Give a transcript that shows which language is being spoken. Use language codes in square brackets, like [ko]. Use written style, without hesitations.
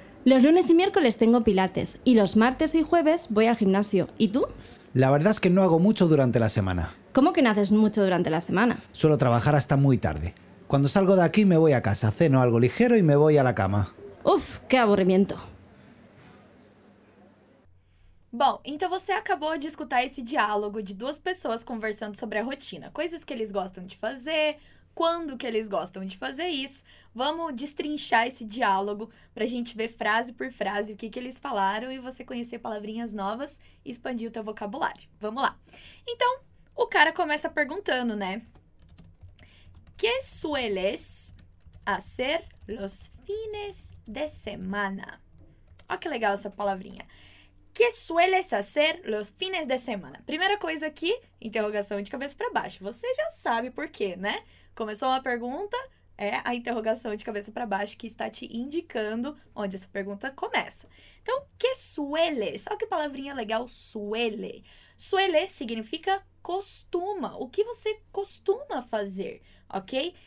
[es] Los lunes y miércoles tengo pilates y los martes y jueves voy al gimnasio. ¿Y tú? La verdad es que no hago mucho durante la semana. ¿Cómo que no haces mucho durante la semana? Suelo trabajar hasta muy tarde. Cuando salgo de aquí me voy a casa, ceno algo ligero y me voy a la cama. ¡Uf! ¡Qué aburrimiento! [pt] Bom, então você acabou de escutar esse diálogo de duas pessoas conversando sobre a rotina. Coisas que eles gostam de fazer, quando que eles gostam de fazer isso. Vamos destrinchar esse diálogo para a gente ver frase por frase o que eles falaram e você conhecer palavrinhas novas e expandir o teu vocabulário. Vamos lá. Então, o cara começa perguntando, né? [es] ¿Qué sueles hacer los fines de semana? [pt] Olha que legal essa palavrinha. [es] ¿Qué sueles hacer los fines de semana? [pt] Primeira coisa aqui, interrogação de cabeça para baixo. Você já sabe por quê, né? Começou uma pergunta, é a interrogação de cabeça para baixo que está te indicando onde essa pergunta começa. Então, [es] ¿qué sueles? [pt] Olha que palavrinha legal, suele. Suele significa costuma, o que você costuma fazer, ok?